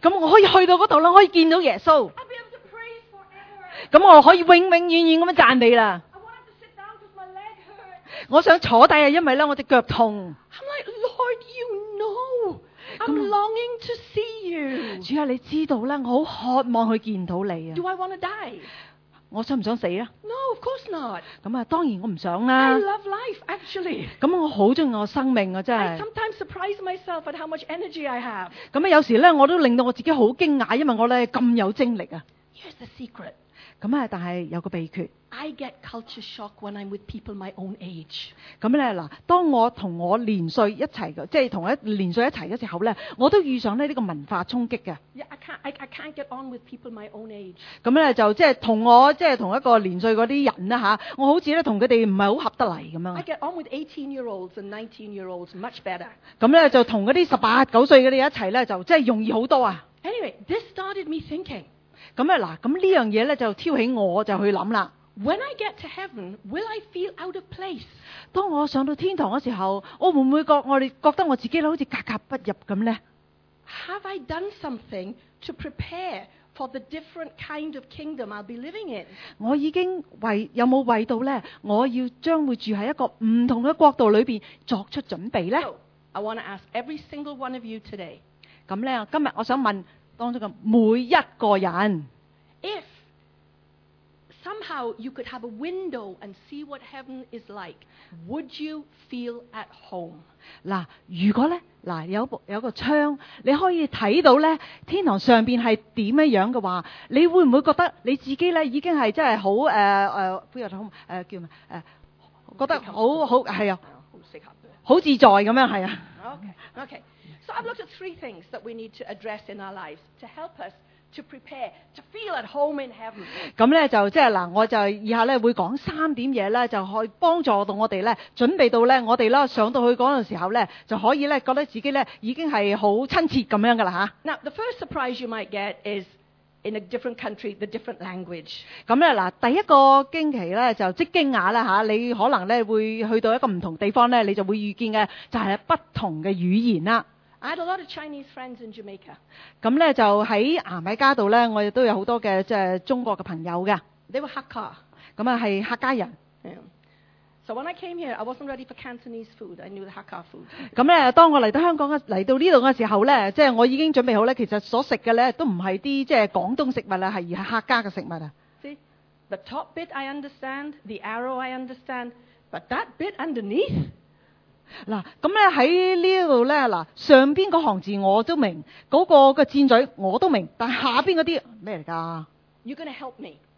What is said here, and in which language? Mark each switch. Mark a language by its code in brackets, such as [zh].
[yue] 咁我可以去到嗰度啦，可以见到耶稣。 [en] I'll be able to pray forever. [yue] 咁我可以永永远远咁样赞你啦。 [en] I want to sit down because my leg hurts. [yue] 我想坐低啊，因为咧我只脚痛。 [en] I'm like Lord, you know. I'm longing to see you. [yue] 主啊，你知道咧，我好渴望去见到你啊。 [en] Do I want to die? [yue] 我想唔想死啊 [en] ？No, of course not。 [yue] 咁啊，當然我唔想啦。 [en] I love life, actually。 [yue] 咁我好中意我生命啊，真係。 [en] I sometimes surprise myself at how much energy I have。 [yue] 咁有時咧，我都令到我自己好驚訝，因為我咧咁有精力啊。 [en] Here's the secret。 [yue] 咁啊，但係有個秘訣。 [en] I get culture shock when I'm with people my own age。 [yue] 咁咧嗱，當我同我年歲一齊嘅，即係同一年歲一齊嘅時候咧，我都遇上咧呢個文化衝擊嘅。 [en] Yeah, I can't get on with people my own age。 [yue] 咁咧就即係同我即係同一個年歲嗰啲人啦嚇，我好似咧同佢哋唔係好合得嚟咁樣。 [en] I get on with 18-year-olds and 19-year-olds much better。 [yue] 咁咧就同嗰啲十八九歲嗰啲一齊咧，就即係容易好多啊。 [en] Anyway, this started me thinking。 [yue] 咁咧嗱，咁呢樣嘢咧就挑起我就去諗啦。 [en] When I get to heaven, will I feel out of place? [yue] 当我上到天堂嘅时候，我会唔会觉得我自己好似格格不入咁咧 [en] ？Have I done something to prepare for the different kind of kingdom I'll be living in? [yue] 我已经有冇为到咧？我要将会住喺一个唔同嘅国度里边作出准备咧 [en] ？I want to ask every single one of you today. [yue] 咁咧，今日我想问当中嘅每一个人 [en] ，If somehow you could have a window and see what heaven is like. Would you feel at home? [yue] 嗱，如果咧，嗱有個窗，你可以睇到咧天堂上邊係點樣樣嘅話，你會唔會覺得你自己咧已經係真係好 [en] feel at home？ [yue] 叫咩？覺得好係啊，好自在咁樣係啊。 [en] Okay. So I've looked at three things that we need to address in our lives to help us. To prepare to feel at home in heaven. [yue] 咁咧就即系嗱，我就以下咧会讲三点嘢咧，就可以帮助到我哋咧，准备到咧，我哋啦上到去嗰阵时候咧，就可以咧觉得自己咧已经系好亲切咁样噶啦吓。 [en] Now the first surprise you might get is in a different country, the different language. [yue] 咁咧嗱，第一个惊奇咧就即惊讶啦吓，你可能咧会去到一个唔同地方咧，你就会遇见嘅就系不同嘅语言啦。 [en] I had a lot of Chinese friends in Jamaica. [yue] 咁咧就喺牙买加度咧，我亦都有好多嘅即系中国嘅朋友嘅。 [en] They were Hakka. [yue] 咁啊，系客家人。 [en] So when I came here, I wasn't ready for Cantonese food. I knew the Hakka food. [yue] 咁咧，当我嚟到香港嚟到呢度嘅时候咧，即系我已经准备好咧，其实所食嘅咧都唔系啲即系广东食物啦，系而系客家嘅食物啊。 [en] See, the top bit I understand, the arrow I understand, but that bit underneath. [yue] 嗱，咁咧喺呢度咧，嗱上边个行字我都明，嗰、那个嘅箭嘴我都明，但下边嗰啲咩嚟噶 [en] ？You're gonna help me。